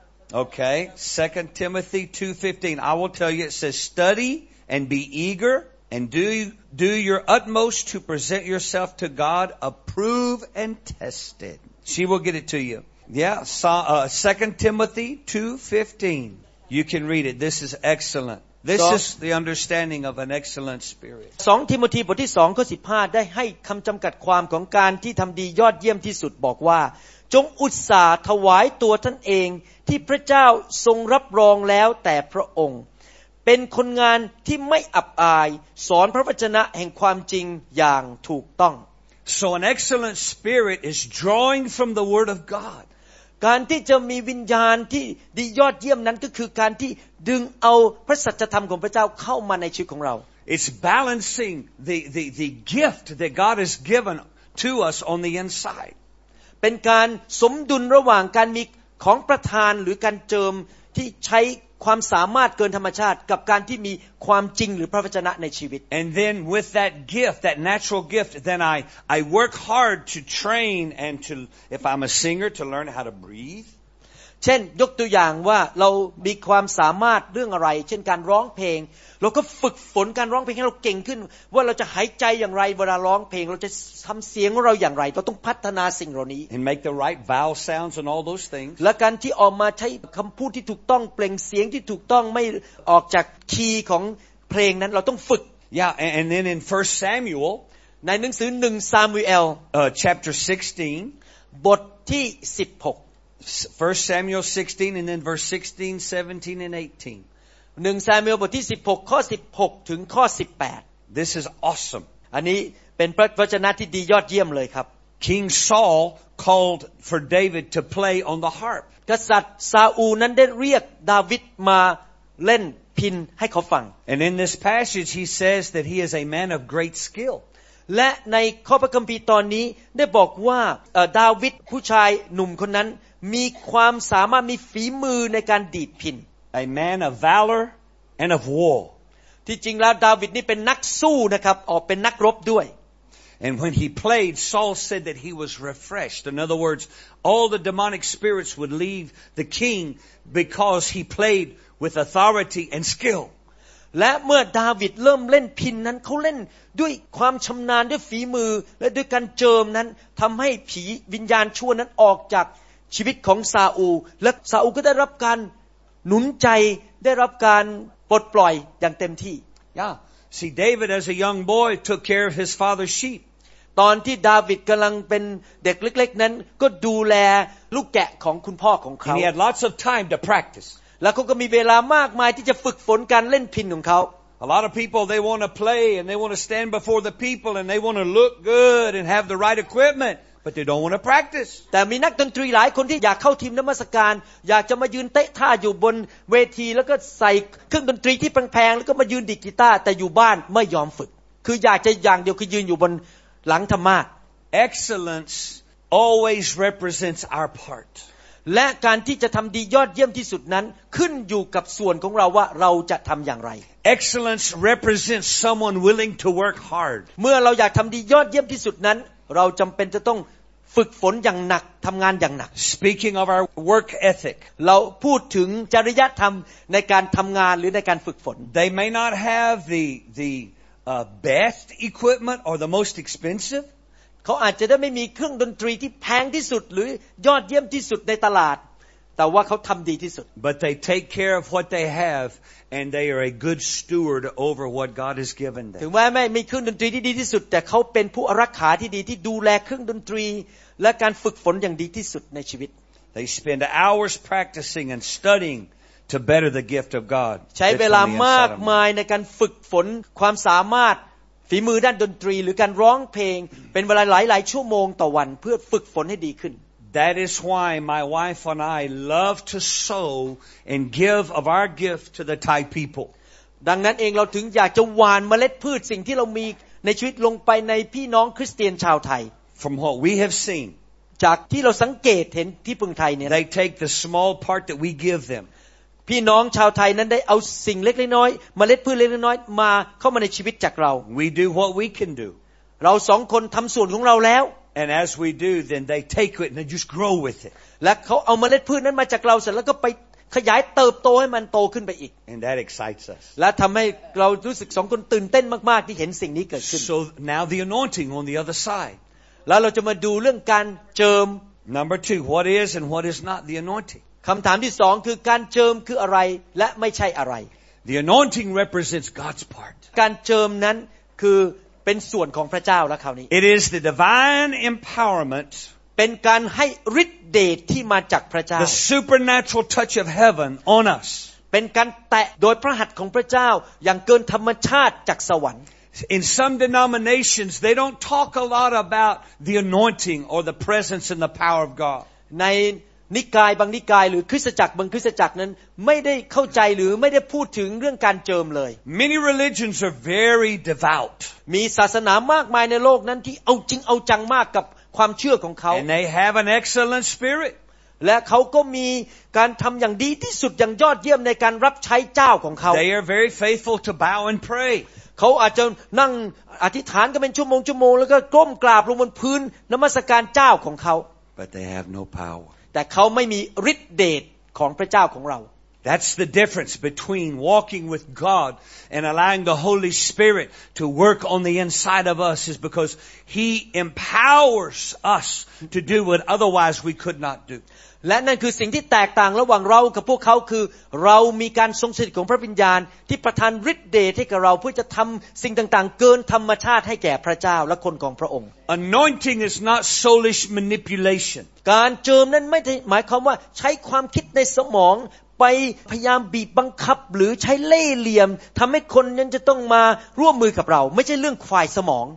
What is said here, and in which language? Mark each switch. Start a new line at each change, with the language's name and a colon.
English: Okay 2 Timothy 2:15 I will tell you it says study and be eagerAnd do your utmost to present yourself to God, approved and tested. She will get it to you. Yeah, 2 Timothy 2:15. You can read it. This is excellent. This is the understanding of an excellent spirit.
Thai: 2 Timothy บทที่2ข้อ15ได้ให้คำจำกัดความของการที่ทำดียอดเยี่ยมที่สุดบอกว่าจงอุตส่าห์ถวายตัวท่านเองที่พระเจ้าทรงรับรองแล้วแต่พระองค์เป็นคนงานที่ไม่อับอายสอนพระวจนะแห่งความจริงอย่างถูกต้อง
English: So an excellent spirit is drawing from the word of God
Thai: การที่จะมีวิญญาณที่ดียอดเยี่ยมนั้นก็คือการที่ดึงเอาพระสัจธรรมของพระเจ้าเข้ามาในชีวิตของเรา
English: It's balancing the gift that God has given to us on the inside
Thai: เป็นการสมดุลระหว่างการมีของประทานหรือการเจิมที่ใช้ความสามารถเกินธรรมชาติกับการที่มีความจริงหรือพระวจนะในชีวิต
English: And then with that gift that natural gift then I work hard to train and to if I'm a singer to learn how to breathe
Thai: เช่นยกตัวอย่างว่าเรามีความสามารถเรื่องอะไรเช่นการร้องเพลงเราก็ฝึกฝนการร้องเพลงให้เราเก่งขึ้นว่าเราจะหายใจอย่างไรเวลาร้องเพลงเราจะทําเสียงของเราอย่างไรเราต้องพัฒนาสิ่งเหล่านี้
English: And make the right vowel sounds and all those things
Thai: และการที่ออกมาใช้คําพูดที่ถูกต้องเปล่งเสียงที่ถูกต้องไม่ออกจากคีย์ของเพลงนั้นเราต้องฝึก
English: Yeah and then in 1 Samuel
Thai: ในหนังสือ1ซามูเอล
English: chapter 16
Thai: บทที่16
English: 1 Samuel 16 and then verse 16 17 and 18
Thai: 1ซามูเอลบทที่16ข้อ16ถึงข้อ18
English: This is awesome
Thai: อันนี้เป็นพระวจนะที่ดียอดเยี่ยมเลยครับ
English: King Saul called for David to play on the harp
Thai: กษัตริย์ซาอูนั้นได้เรียกดาวิดมาเล่นพิณให้เขาฟัง
English: And in this passage he says that he is a man of great skill
Thai: และในข้อพระคัมภีร์ตอนนี้ได้บอกว่าดาวิดผู้ชายหนุ่มคนนั้นมีความสามารถมีฝีมือในการดีดพิณ
English: A man of valor and of war.
Thai: ที่จริงแล้วดาวิดนี่เป็นนักสู้นะครับออกเป็นนักรบด้วย
English: And when he played, Saul said that he was refreshed. In other words, all the demonic spirits would leave the king because he played with authority and skill.
Thai: และเมื่อดาวิดเริ่มเล่นพิณนั้นเขาเล่นด้วยความชำนาญด้วยฝีมือและด้วยการเจิมนั้นทำให้ผีวิญญาณชั่วนั้นออกจากชีวิตของซาอูและซาอูก็ได้รับการ หนุนใจได้รับการปลดปล่อยอย่างเต็มที่
English: Yeah. See, David as a young boy took care of his father's sheep.
Thai: ตอนที่ดาวิดกำลังเป็นเด็กเล็กๆนั้นก็ดูแลลูกแกะของคุณพ่อของเขา
English: And he had lots of time to practice.
Thai: แล้วก็มีเวลามากมายที่จะฝึกฝนการเล่นพิณของเขา
English: A lot of people, they want to play and they want to stand before the people and they want to look good and have the right equipment, but they don't want to practice.
Thai: แต่มีนักดนตรีหลายคนที่อยากเข้าทีมนมัสการอยากจะมายืนเตะท่าอยู่บนเวทีแล้วก็ใส่เครื่องดนตรีที่แพงๆแล้วก็มายืนดีดกีตาร์แต่อยู่บ้านไม่ยอมฝึกคืออยากจะอย่างเดียวคือยืนอยู่บนหลังธรรมาส
English: Excellence always represents our part.
Thai: และการที่จะทำดียอดเยี่ยมที่สุดนั้นขึ้นอยู่กับส่วนของเราว่าเราจะทำอย่างไร
English: Excellence represents someone willing to work hard.
Thai: เมื่อเราอยากทำดียอดเยี่ยมที่สุดนั้นเราจำเป็นจะต้องฝึกฝนอย่างหนักทำงานอย่างหนัก
English: Speaking of our work ethic,
Thai: เราพูดถึงจริยธรรมในการทำงานหรือในการฝึกฝน
English: They may not have the best equipment or the most expensive.
Thai: เขาอาจจะได้ไม่มีเครื่องดนตรีที่แพงที่สุดหรือยอดเยี่ยมที่สุดในตลาดแต่ว่าเขาทำดีที่สุด
English: But they take care of what they have and they are a good steward over what God has given them
Thai: ถึงแม้ไม่มีเครื่องดนตรีที่ดีที่สุดแต่เขาเป็นผู้รักษาที่ดีที่ดูแลเครื่องดนตรีและการฝึกฝนอย่างดีที่สุดในชีวิต
English: They spend hours practicing and studying to better the gift of God
Thai: ใช้เวลามากมายในการฝึกฝนความสามารถฝีมือด้านดนตรีหรือการร้องเพลงเป็นเวลาหลายๆชั่วโมงต่อวันเพื่อฝึกฝนให้ดีขึ้น
English: That is why my wife and I love to sow and give of our gift to the Thai people.
Thai: ดังนั้นเองเราถึงอยากจะหว่านเมล็ดพืชสิ่งที่เรามีในชีวิตลงไปในพี่น้องคริสเตียนชาวไทย
English: From what we have seen,
Thai: จากที่เราสังเกตเห็นที่เมืองไทยเนี่ย
English: They take the small part that we give them.
Thai: พี่น้องชาวไทยนั้นได้เอาสิ่งเล็กๆน้อยๆเมล็ดพืชเล็กๆน้อยๆมาเข้ามาในชีวิตจากเรา
English: We do what we can do.
Thai: เราสองคนทำส่วนของเราแล้ว
English: And as we do, then they take it and they just grow with it.
Thai: และเขาเอาเมล็ดพืชนั้นมาจากเราเสร็จแล้วก็ไปขยายเติบโตให้มันโตขึ้นไปอีก
English: And that excites us.
Thai: และทำให้เรารู้สึกสองคนตื่นเต้นมากๆที่เห็นสิ่งนี้เกิดขึ้น
English: So now the anointing on the other side.
Thai: แล้วเราจะมาดูเรื่องการเจิม
English: Number two, what is and what is not the anointing?
Thai: คำถามที่สองคือการเจิมคืออะไรและไม่ใช่อะไร
English: The anointing represents God's part.
Thai: การเจิมนั้นคือเป็นส่วนของพระเจ้าแล้วคราวนี้
English: It is the divine empowerment
Thai: เป็นการให้ฤทธิ์เดชที่มาจากพระเจ้า
English: The supernatural touch of heaven on us
Thai: เป็นการแตะโดยพระหัตถ์ของพระเจ้าอย่างเกินธรรมชาติจากสวรรค์
English: In some denominations they don't talk a lot about the anointing or the presence and the power of God
Thai: ในนิกายบางนิกายหรือคริสตจักรบางคริสตจักรนั้นไม่ได้เข้าใจหรือไม่ได้พูดถึงเรื่องการเจิมเลย
English: Many religions are very devout
Thai: มีศาสนามากมายในโลกนั้นที่เอาจริงเอาจังมากกับความเชื่อของเขา
English: And they have an excellent spirit
Thai: และเขาก็มีการทำอย่างดีที่สุดอย่างยอดเยี่ยมในการรับใช้เจ้าของเขา
English: They are very faithful to bow and pray
Thai: เขาอาจจะนั่งอธิษฐานกันเป็นชั่วโมงชั่วโมงแล้วก็ก้มกราบลงบนพื้นนมัสการเจ้าของเขา
English: But they have no power
Thai: แต่เขาไม่มีฤทธิ์เดชของพระเจ้าของเรา
English: That's the difference between walking with God and allowing the Holy Spirit to work on the inside of us is because He empowers us to do what otherwise we could not do.
Thai: และนั่นคือสิ่งที่แตกต่างระหว่างเรากับพวกเขาคือเรามีการทรงสถิตของพระวิญญาณที่ประทานฤทธิ์เดชให้กับเราเพื่อจะทำสิ่งต่างๆเกินธรรมชาติให้แก่พระเจ้าและคนของพระองค์
English: Anointing is not soulish manipulation.
Thai: การเจิมนั้นไม่หมายความว่าใช้ความคิดในสมองไปพยายามบีบบังคับหรือใช้เล่ห์เหลี่ยมทำให้คนนั้นจะต้องมาร่วมมือกับเราไม่ใช่เรื่องฝ่ายสมอง